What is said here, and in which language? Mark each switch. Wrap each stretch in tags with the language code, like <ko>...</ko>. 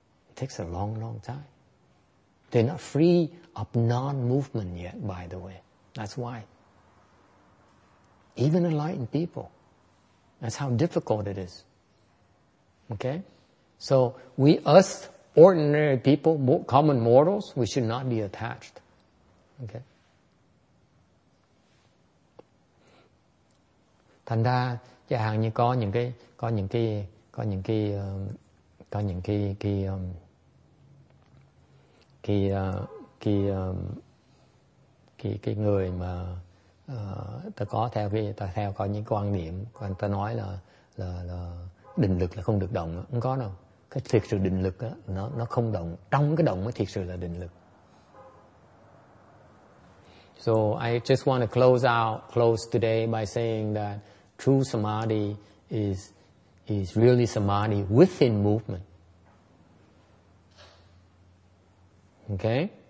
<en>It takes a long, long time. They're not free of non-movement yet, by the way. That's why. Even enlightened people, that's how difficult it is. Okay? So we, us ordinary people, common mortals, we should not be attached. Okay?</en> <vi>Thành ra, chẳng như có những cái, có những cái, có những cái, có những cái, cái, cái, cái, cái, cái người mà ta có theo cái, ta theo có những quan niệm, ta nói là định lực là không được động, không có đâu. Cái thiệt sự định lực đó, nó không động, trong cái động mới thiệt sự là định lực.</vi> <en>So I just want to close today by saying that true samadhi is really samadhi within movement. Okay?</en>